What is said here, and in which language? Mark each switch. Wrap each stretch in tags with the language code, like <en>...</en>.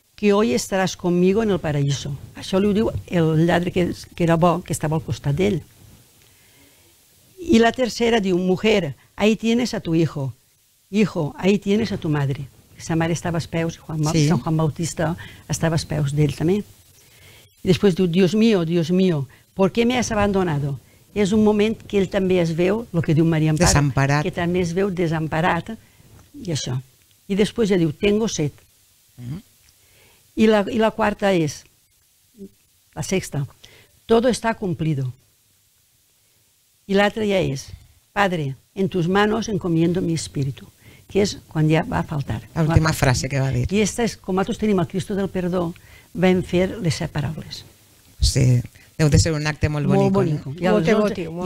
<es>que hoy estarás conmigo en el paraíso.</es> <ca>Això li ho diu el lladre que era bo, que estava al costat d'ell. I la tercera diu,</ca> <es>mujer, ahí tienes a tu hijo. Hijo, ahí tienes a tu madre.</es> <ca>Sa mare estava als peus, Sant Juan Bautista estava als peus d'ell també. I després diu,</ca> <es>Dios mío, Dios mío, ¿por qué me has abandonado?</es> <ca>És un moment que ell també es veu, el que diu Maria Amparo, que també es veu desemparat, i això. I després ja diu,</ca> <es>tengo sed.</es> <ca>I la quarta és,</ca> <es>la sexta, todo está cumplido.</es> <ca>I l'altra ja és,</ca> <es>Padre, en tus manos encomiendo mi espíritu,</es> <ca>que és quan ja va a faltar. L'última frase que va dir. I esta és, com altres tenim el Cristo del perdó, vam fer les set paraules. Sí, deu de ser un acte molt bonic. Molt bonic. No?</ca>